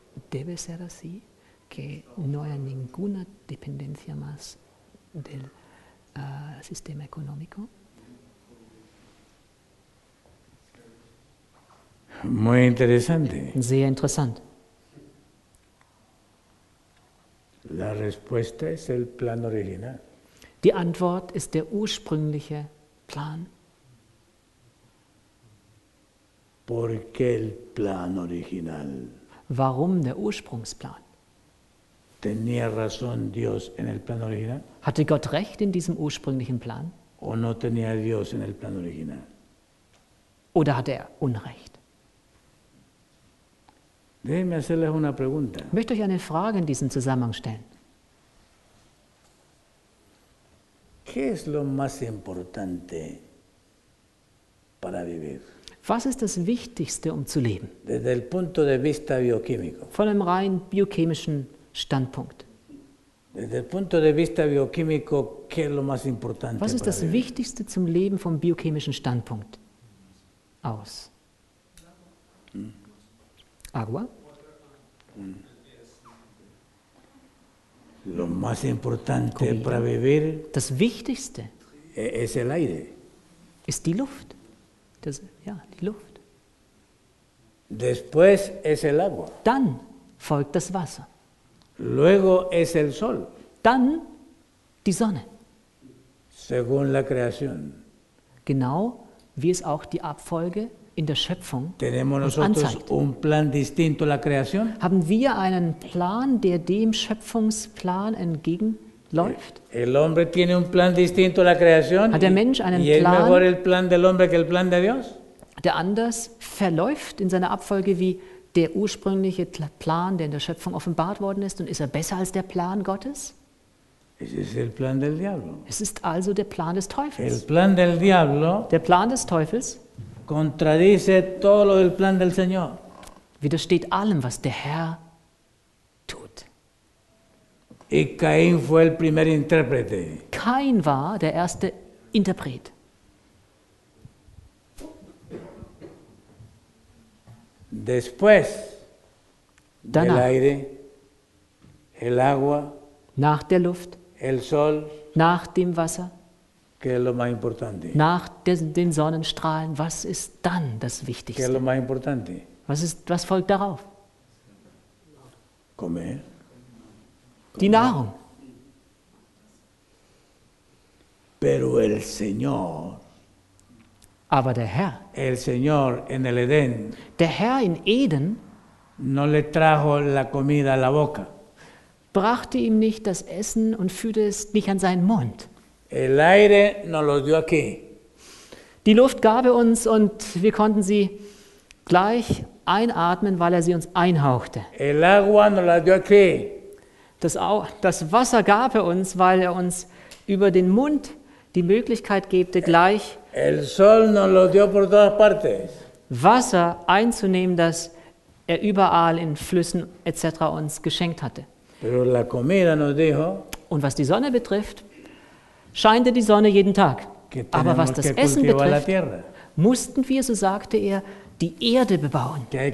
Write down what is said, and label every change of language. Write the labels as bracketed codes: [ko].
[es] ¿Debe ser así que no haya ninguna dependencia más del sistema económico? Muy interesante. [de] Sehr interessant. [es] La respuesta es el plan original. [de] Die Antwort ist der ursprüngliche Plan. [es] ¿Por qué el plan original? [de] Warum der Ursprungsplan? [es] ¿Tenía razón Dios en el plan original? [de] Hatte Gott recht in diesem ursprünglichen Plan? [es] ¿O no tenía Dios en el plan original? [de] Oder hatte er Unrecht? [es] Déjenme hacerles una pregunta. [de] Ich möchte euch eine Frage in diesem Zusammenhang stellen. [es] ¿Qué es lo más importante para vivir? [de] Was ist das Wichtigste, um zu leben? [es] Desde el punto de vista biochímico. [de] Von einem rein biochemischen Standpunkt. [es] Desde el punto de vista biochímico, ¿qué es lo más importante? [de] Was ist das Wichtigste zum Leben vom biochemischen Standpunkt aus? [es] Agua. Lo más importante para vivir. [de] Das Wichtigste. [es] Es el aire. [de] Ist die Luft. Das, ja, die Luft. [es] Después es el agua. [de] Dann folgt das Wasser. [es] Luego es el sol. [de] Dann die Sonne. [es] Según la creación. [de] Genau wie es auch die Abfolge in der Schöpfung [es] tenemos nosotros un plan distinto a la creación? [de] Haben wir einen Plan, der dem Schöpfungsplan entgegenläuft? [es] El hombre tiene un plan distinto a la creación? [de] Hat der Mensch einen [es] y [de] Plan, [es] es mejor el plan del hombre que el plan de Dios? [de] Der anders verläuft in seiner Abfolge wie der ursprüngliche Plan, der in der Schöpfung offenbart worden ist, und ist er besser als der Plan Gottes? Es ist [es] el plan del diablo. [de] Es ist also der Plan des Teufels. [es] El plan del diablo, [de] der Plan des Teufels [es] Contradice todo el plan del Señor. [de] Widersteht allem, was der Herr tut. [es] Y Caín fue el primer intérprete. [de] Caín war der erste Interpret. [es] Después [de] danach, [es] el aire, el agua, [de] nach der Luft, [es] el sol, [de] nach dem Wasser, [es] que es lo más importante. [de] Nach den Sonnenstrahlen, was ist dann das Wichtigste? [es] Que es lo más importante. [de] Was folgt darauf? [es] Comer. [de] Die Nahrung. [es] Pero el Señor. [de] Aber der Herr. [es] El Señor en el Edén. [de] Der Herr in Eden. [es] No le trajo la comida a la boca. [de] Brachte ihm nicht das Essen und führte es nicht an seinen Mund. [es] El aire no lo dio aquí. [de] Die Luft gab er uns und wir konnten sie gleich einatmen, weil er sie uns einhauchte. [es] El agua no la dio aquí. [de] Das Wasser gab er uns, weil er uns über den Mund die Möglichkeit gebte, gleich [es] el sol no lo dio por todas partes. [de] Wasser einzunehmen, das er überall in Flüssen etc. uns geschenkt hatte. [es] Pero la comida nos dijo, [de] und was die Sonne betrifft, scheinte die Sonne jeden Tag. Aber was das Essen betrifft, mussten wir, so sagte er, die Erde bebauen.